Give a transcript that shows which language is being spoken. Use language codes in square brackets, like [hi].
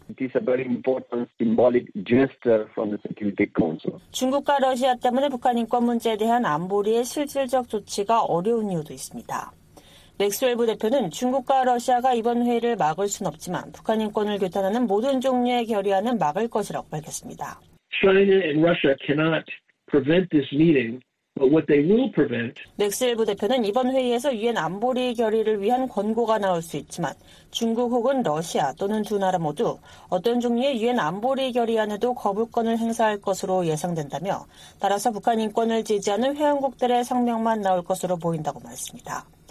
[en] It is a very important symbolic gesture from the Security Council. [ko] 중국과 러시아 때문에 북한 인권 문제에 대한 안보리의 실질적 조치가 어려운 이유도 있습니다. 맥스웰 부대표는 중국과 러시아가 이번 회의를 막을 순 없지만 북한 인권을 규탄하는 모든 종류의 결의안은 막을 것이라고 밝혔습니다. [en] China and Russia cannot prevent this meeting, but what they will prevent. [ko] 맥스웰 부대표는 이번 회의에서 유엔 안보리 결의를 위한 권고가 나올 수 있지만 중국 혹은 러시아 또는 두 나라 모두 어떤 종류의 유엔 안보리 결의안에도 거부권을 행사할 것으로 예상된다며 따라서 북한 인권을 지지하는 회원국들의 성명만 나올 것으로 보인다고 말했습니다.